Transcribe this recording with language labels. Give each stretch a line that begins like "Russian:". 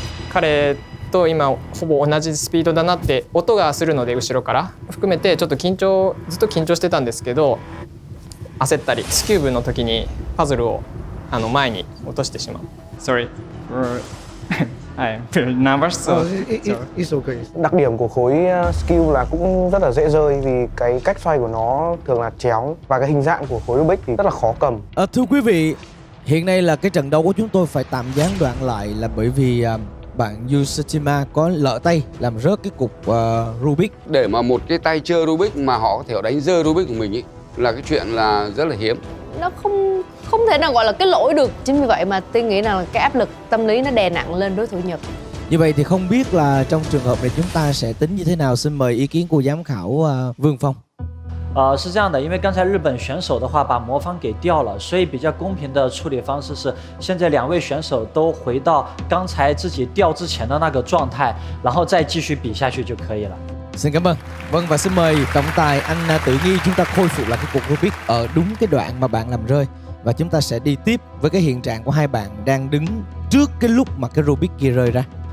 Japanese: 彼と今ほぼ同じスピードだなって音がするので後ろから含めてちょっと緊張ずっと緊張してたんですけど焦ったりスキューブの時にパズルを前に落としてしまう。
English: Sorry. I'm very nervous. So. It's okay.
Vietnamese: Đặc điểm của khối skill là cũng rất là dễ rơi vì cái cách xoay của nó thường là chéo và cái hình dạng của khối Rubik thì rất là khó cầm. Thưa quý vị, hiện nay là cái trận đấu của chúng tôi phải tạm gián đoạn lại là bởi vì bạn Yusutima có lỡ tay làm rớt cái cục Rubik. Để mà một cái tay chơi Rubik mà họ có thể đánh rơi Rubik của mình ý, là cái chuyện là rất là hiếm. Nó không thể nào gọi là cái lỗi được. Chính vì vậy mà tôi nghĩ là cái áp lực tâm lý nó đè nặng lên đối thủ Nhật. Như vậy thì không biết là trong trường hợp này chúng ta sẽ tính như thế nào. Xin mời ý kiến của giám khảo Vương Phong.
Chinese: 是这样的，因为刚才日本选手的话把魔方给掉了，所以比较公平的处理方式是现在两位选手都回到刚才自己掉之前的那个状态，然后再继续比下去就可以了。
Vietnamese: Xin cảm ơn. Vâng, và xin mời trọng tài Anna Tử Nghi chúng ta khôi phục lại cái cục Rubik ở đúng cái đoạn mà bạn làm rơi, và chúng ta sẽ đi tiếp với cái hiện trạng của hai bạn đang đứng trước cái lúc mà cái Rubik kia rơi ra.